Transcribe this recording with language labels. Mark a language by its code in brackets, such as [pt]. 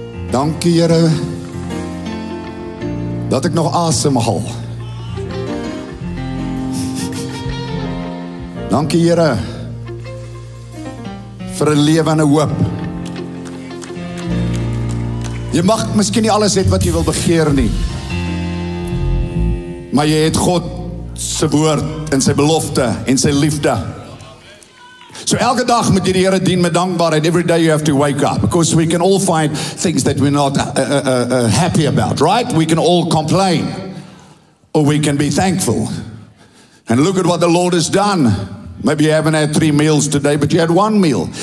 [af] Dankie, Here, dat ek nog asemhaal. Dankie, Here, vir 'n lewe en 'n hoop. Jy mag miskien nie alles het wat jy wil begeer nie, maar jy het God se woord en sy belofte en sy liefde. So elke dag moet jy die Here dien met dankbaarheid. [en] Every day you have to wake up. Because we can all find things that we're not happy about, right? We can all complain. Or we can be thankful. And look at what the Lord has done. Maybe you haven't had 3 meals today, but you had 1 meal.